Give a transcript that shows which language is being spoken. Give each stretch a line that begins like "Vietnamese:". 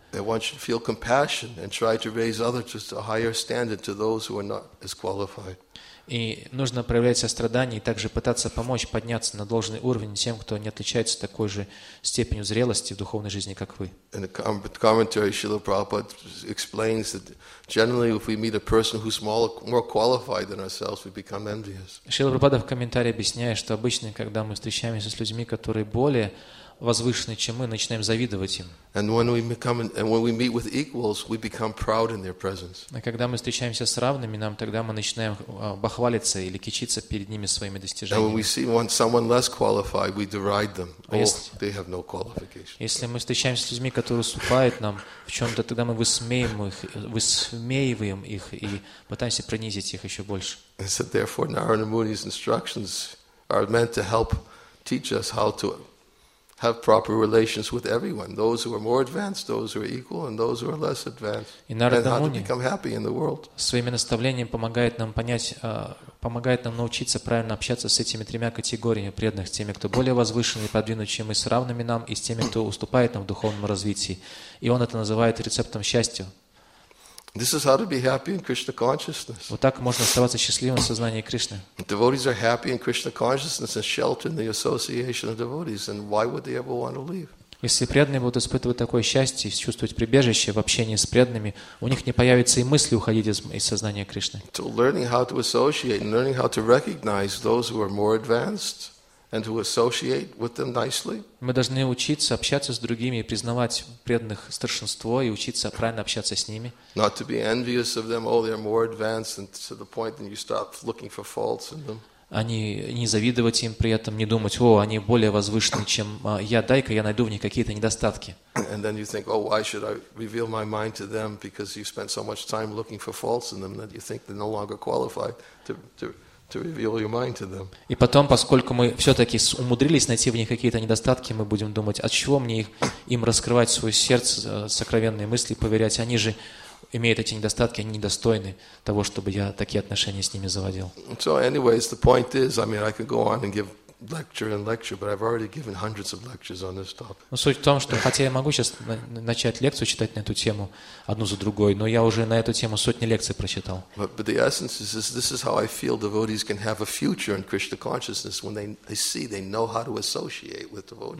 English: One should feel compassion and try to raise others to a higher standard to those who are not as qualified.
Russian: И нужно проявлять сострадание и также пытаться помочь подняться на должный уровень тем, кто не отличается такой же степенью зрелости в духовной жизни, как вы.
English: In the commentary, Srila Prabhupada explains that generally if we meet a person who's more qualified than ourselves, we become envious.
Russian: Srila Prabhupada в комментарии объясняет, что обычно, когда мы встречаемся с людьми, которые более возвышенные, чем мы, начинаем завидовать им. А когда мы встречаемся с равными, нам тогда мы начинаем бахвалиться или кичиться перед ними своими достижениями. Если мы встречаемся с людьми, которые уступают нам в чем-то, тогда мы высмеиваем их и пытаемся принизить их еще больше.
English: And so therefore Narada Muni's instructions are meant to help teach us how to have proper relations with everyone, those who are more advanced, those who are equal, and those who are less advanced, and how to become happy in the world.
Russian: Своими наставлениями помогает нам понять, помогает нам научиться правильно общаться с этими тремя категориями преданных, теми, кто более возвышенный и продвинутый, чем мы, с равными нам, и с теми, кто уступает нам в духовном развитии. И он это называет рецептом счастья.
English: This is how to be happy in Krishna consciousness.
Russian: Вот так можно оставаться счастливым в сознании Кришны.
English: Devotees are happy in Krishna consciousness and shelter in the association of devotees. And why would they ever want to leave?
Russian: Если преданные будут испытывать такое счастье и чувствовать прибежище в общении с преданными, у них не появится и мысли уходить из сознания Кришны.
English: To learning how to associate and learning how to recognize those who are more advanced and to associate with them nicely.
Russian: Мы должны учиться общаться с другими и признавать преданных старшинство и учиться правильно общаться с ними.
English: Not to be envious of them, oh, they're more advanced, and to the point that you start looking for faults in them.
Russian: Они не завидовать им при этом, не думать, о, они более возвышены, чем я, дай-ка я найду в них какие-то недостатки.
English: And then you think, oh, why should I reveal my mind to them because you spent so much time looking for faults in them that you think they're no longer qualified to reveal your mind to them.
Russian: И потом, поскольку мы все-таки умудрились найти в них какие-то недостатки, мы будем думать, от чего мне им раскрывать свое сердце, сокровенные мысли, поверять, они же имеют эти недостатки, они недостойны того, чтобы я такие отношения с ними заводил.
English: So anyways, the point is, I mean, I could go on and give lecture and lecture, but I've already given hundreds of lectures on this topic.
Russian: Но суть в том, что хотя я могу сейчас начать лекцию читать на эту тему одну за другой, но я уже на эту тему сотни лекций прочитал.
English: But the essence is this is how I feel devotees can have a future in Krishna consciousness when they see they know how to associate with devotees.